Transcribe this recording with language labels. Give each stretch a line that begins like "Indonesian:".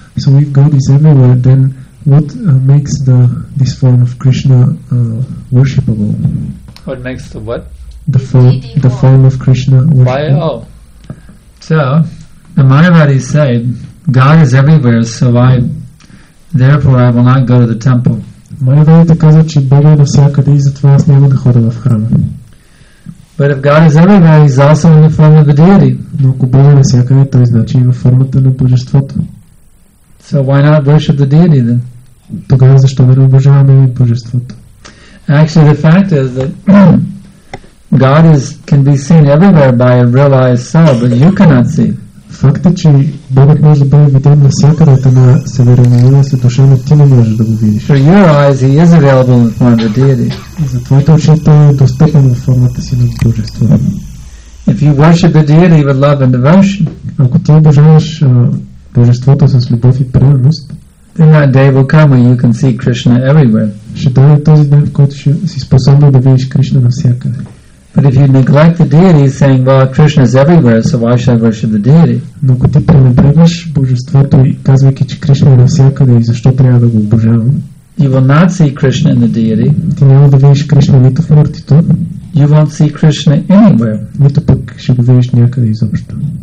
English: So if God is everywhere, then what makes this form of Krishna worshipable? What makes the what? The form of Krishna worshipable. So the Mayavadis say God is everywhere, so I therefore I will not go to the temple.
Bulgarian: Mayavadite kaza, че Бог е навсякъде и затова аз няма да ходя в храма.
English: But if God is everywhere, he's also in the form of a deity.
Bulgarian: Но ако Бог е навсякъде, той значи и във формата на божеството.
English: So why not worship the deity then?
Bulgarian: Тогава защо да не обожаваме Божеството?
English: Actually, the fact is that God is can be seen everywhere by a realized soul, but you cannot see.
Bulgarian: Факт е, че Бог може да бъде виден навсякъде, от една съвременна си душа, но ти не можеш да го видиш.
English: For your eyes, he is available in the form of a deity.
Bulgarian: За твоите очи той е достъпен в формата си на Божество.
English: If you worship a deity with love and devotion,
Bulgarian: ако ти обожаваш Божеството с любов и преданост,
English: then that day will come when you can see Krishna everywhere.
Bulgarian: Ще дойде този ден, в който ще си способен да видиш Кришна навсякъде.
English: But if you neglect the deity, saying, well, Krishna is everywhere, so why should I worship the deity?
Bulgarian: Но ако ти пренебрегваш Божеството и казвайки, че Кришна е навсякъде и защо трябва да го обожавам,
English: you will not see Krishna in the deity.
Bulgarian: Ти няма да видиш Кришна нито в мъртвите.
English: You won't see Krishna anywhere.
Bulgarian: Нито пък ще го видиш някъде изобщо.